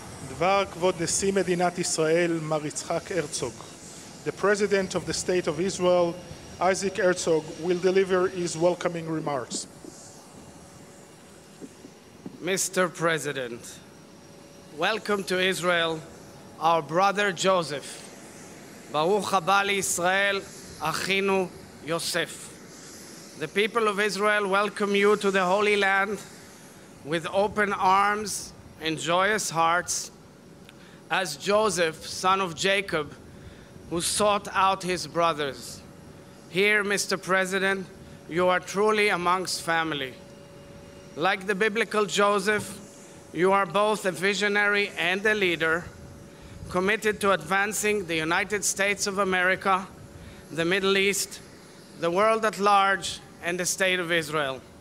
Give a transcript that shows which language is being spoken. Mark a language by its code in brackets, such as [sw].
[he] דבר כבוד נשיא מדינת ישראל, מר יצחק הרצוג. [en] The president of the state of Israel, Isaac Herzog, will deliver his welcoming remarks. Mr. President, welcome to Israel, our brother Joseph. [he] ברוך הבא לישראל, אחינו יוסף. [en] The people of Israel welcome you to the Holy Land with open arms and joyous hearts as Joseph, son of Jacob, who sought out his brothers. Here, Mr. President, you are truly amongst family. Like the biblical Joseph, you are both a visionary and a leader committed to advancing the United States of America, the Middle East, the world at large, and the State of Israel.